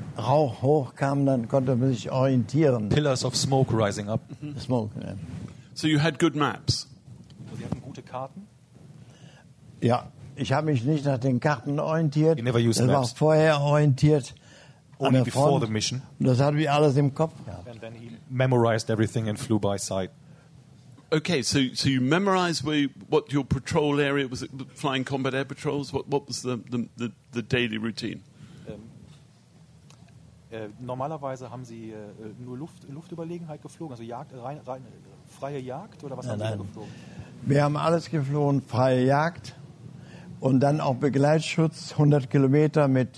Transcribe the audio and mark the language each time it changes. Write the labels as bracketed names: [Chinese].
[German] Rauch hochkam, dann konnte man sich orientieren. [English] Pillars of smoke rising up. Smoke, yeah. So you had good maps. [German] Also, Sie hatten gute Karten? Ja, ich habe mich nicht nach den Karten orientiert. [English] You never used maps. [German] War vorher orientiert. [English] Before the mission. [German] Und das hatte ich alles im Kopf gehabt. [English] And then he memorized everything and flew by sight. Okay, so you memorized what your patrol area was, it flying combat air patrols? What was the daily routine? [German] Normalerweise haben Sie nur Luftüberlegenheit geflogen, also Jagd, rein freie Jagd, oder was haben Sie da geflogen? Wir haben alles geflogen, freie Jagd und dann auch Begleitschutz, 100 Kilometer mit